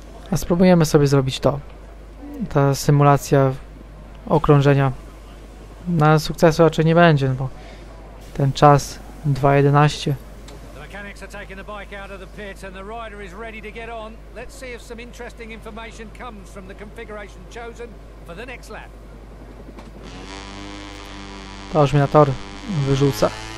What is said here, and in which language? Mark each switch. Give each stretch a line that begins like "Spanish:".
Polish: A spróbujemy sobie zrobić to. Ta symulacja okrążenia. Na sukcesu raczej nie będzie, bo ten czas 2.11.
English: Are taking the bike out of the pit and the rider is ready to get on. Let's see if some interesting information comes from the configuration chosen for the next lap.
Polish: To już mnie na tor wyrzuca.